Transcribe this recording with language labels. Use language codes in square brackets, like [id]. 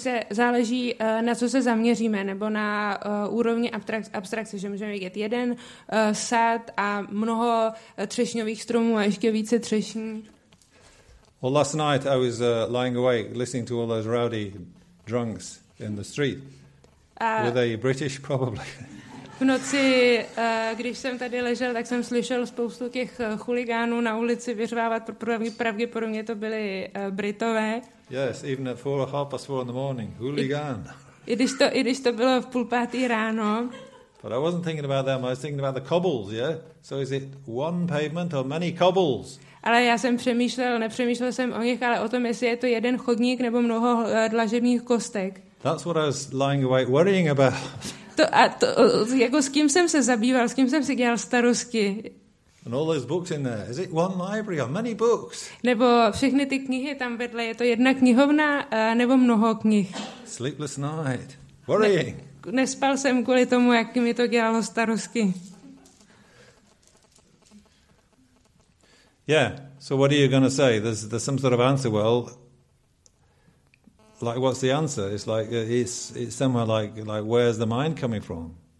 [cs] Záleží, na co se zaměříme, nebo na úrovni abstrakce, že můžeme vidět jeden sad a mnoho třešňových stromů a ještě více třešní. [en] Well, last night I was lying awake listening to all those rowdy drunks in the street. Were they British, probably? [cs] V noci, když jsem tady ležel, tak jsem slyšel spoustu těch chuligánů na ulici vyřvávat, pravděpodobně to byly Britové. [en] Yes, even at 4:30 in the morning, hooligan. [cs] I když to bylo v půl pátý ráno. [en] But I wasn't thinking about them, I was thinking about the cobbles, yeah? So is it one pavement or many cobbles? [cs] Ale já jsem přemýšlel, nepřemýšlel jsem o nich, ale o tom, jestli je to jeden chodník nebo mnoho dlažebních kostek. [en] That's what I was lying away worrying about. [cs] To, a to, jako s kým jsem se zabýval, s kým jsem si dělal starosti. [en] And all those books in there, is it one library or many books? [cs] Nebo všechny ty knihy tam vedle, je to jedna knihovna nebo mnoho knih? [en] Sleepless night, worrying. [cs] Nespal jsem kvůli tomu, jak mi to dělalo starosti. [en] Yeah, so what are you going to say? There's some sort of answer. Well, like, what's the answer? It's like, it's somewhere like where's the mind coming from?